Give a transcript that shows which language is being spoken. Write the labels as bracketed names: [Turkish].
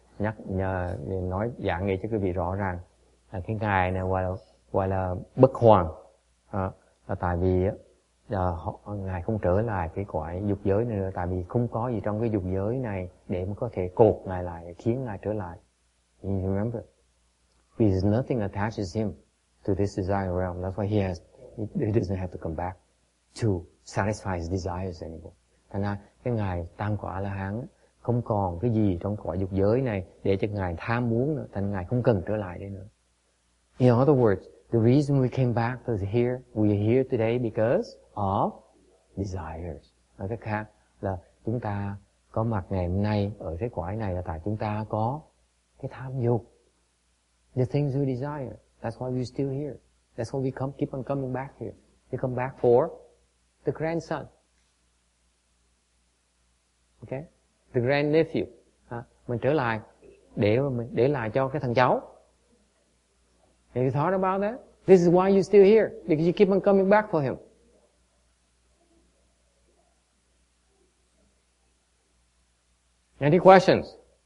[Vietnamese] Nhắc nhờ nói giảng nghe cho quý vị rõ ràng. Cái ngài này gọi là bất hoàn, là tại vì ngài không trở lại cái quả dục giới này nữa, tại vì không có gì trong cái dục giới này để mà có thể cột ngài lại, khiến ngài trở lại. [English] You remember? Because nothing attaches him to this desire realm. That's why he doesn't have to come back to satisfy his desires anymore. [Vietnamese] Thành ra cái ngài tam quả A-la-hán không còn cái gì trong quả dục giới này để cho ngài tham muốn nữa, thành ngài không cần trở lại đây nữa. [English] In other words, the reason we came back to here, we are here today because of desires. [Vietnamese] Nói cách khác là chúng ta có mặt ngày hôm nay ở thế giới này là tại chúng ta có cái tham dục. [English] The things we desire. That's why we're still here. That's why we keep on coming back here. We come back for the grandson. Okay? The grandnephew. [Vietnamese] Mình trở lại để lại cho cái thằng cháu. [English] Have you thought about that? This is why you're still here, because you keep on coming back for him. Any questions?